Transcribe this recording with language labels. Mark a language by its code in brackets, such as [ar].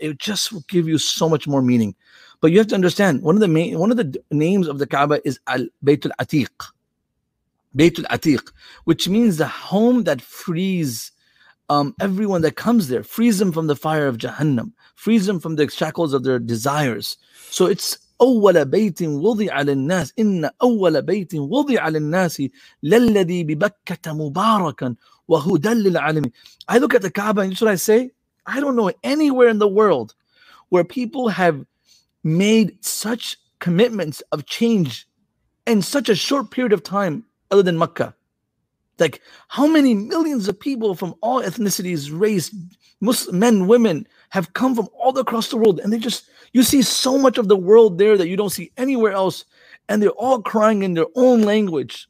[en] It just will give you so much more meaning. But you have to understand, one of the names of the Kaaba is Al-Baytul Atiq. Baytul Atiq, which means the home that frees everyone that comes there, frees them from the fire of Jahannam, frees them from the shackles of their desires. So it's [ar] أول بيت وضع للناس إن أول بيت وضع للناس للذي ببكة مباركا وهدى للعالمين. [en] I look at the Kaaba and what I say, I don't know anywhere in the world where people have made such commitments of change in such a short period of time other than Mecca. Like, how many millions of people from all ethnicities, race, Muslim men, women, have come from all across the world, and they just, you see so much of the world there that you don't see anywhere else, and they're all crying in their own language.